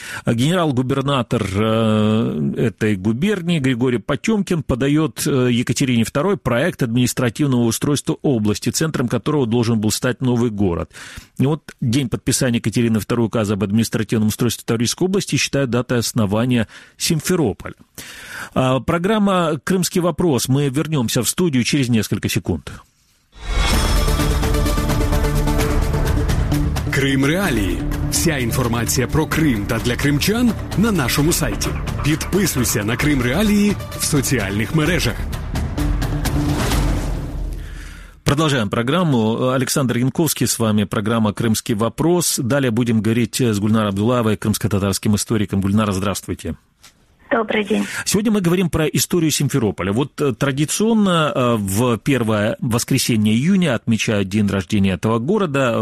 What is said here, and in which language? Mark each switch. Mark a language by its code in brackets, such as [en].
[ru] Генерал-губернатор этой губернии Григорий Потемкин подает Екатерине II проект административного устройства области, центром которого должен был стать новый город. И вот день подписания Екатерины II указа об административном устройстве Таврической области считают датой основания Симферополя. Программа «Крымский вопрос». Мы вернемся в студию через несколько секунд. [uk] Крым реалії. Вся інформація про Крим та для кримчан на нашому сайті. Підписуйся на Крим реалії в соціальних мережах. [ru] Продолжаем программу. Александр Янковский с вами, программа «Крымский вопрос». Далее будем говорить с Гульнарой Абдулаевой, крымско-татарским историком. Гульнара, здравствуйте. Добрый день. Сегодня мы говорим про историю Симферополя. Вот традиционно в первое воскресенье июня отмечают день рождения этого города.